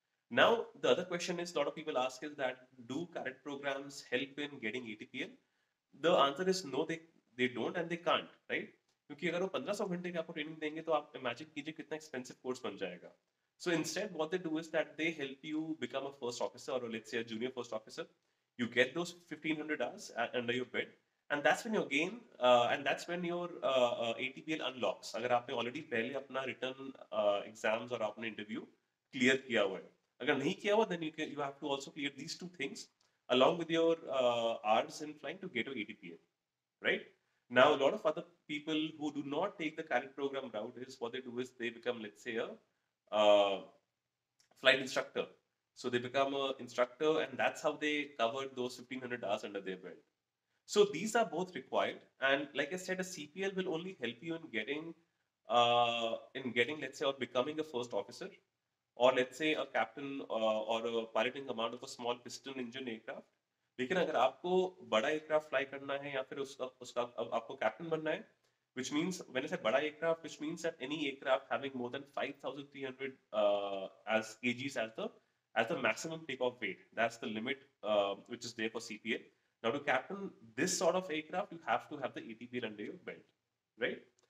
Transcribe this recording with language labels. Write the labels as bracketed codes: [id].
[en] Now, the other question is, a lot of people ask is that, do cadet programs help in getting ATPL? The answer is no, they don't and they can't, right? [hi] क्योंकि अगर वो 1500 घंटे की आपको training देंगे तो आप imagine कीजिए कितना एक्सपेंसिव कोर्स बन जाएगा [en] so instead what they do is that they help you become a first officer और let's say a junior first officer you get those 1500 hours under your belt and that's when your gain and that's when your ATPL unlocks [hi] अगर आपने already पहले अपना written exams और आपने interview clear किया हुआ [en] है अगर नहीं किया हुआ then you have to also clear these two things along with your hours in flying to get your ATPL right Now, a lot of other people who do not take the cadet program route is what they do is they become, let's say, a flight instructor. So they become an instructor and that's how they cover those 1500 hours under their belt. So these are both required. And like I said, a CPL will only help you in getting, let's say, or becoming a first officer or let's say a captain or a pilot in command of a small piston engine aircraft. [hi] लेकिन अगर आपको बड़ा aircraft fly करना है या फिर उसका उसका आपको कैप्टन बनना है [en] Which means, when I say bada aircraft, which means that any aircraft having more than 5,300 as kgs as the maximum takeoff weight. That's the limit which is there for CPL. Now, to captain this sort of aircraft, you have to have the ATPL under your belt, right?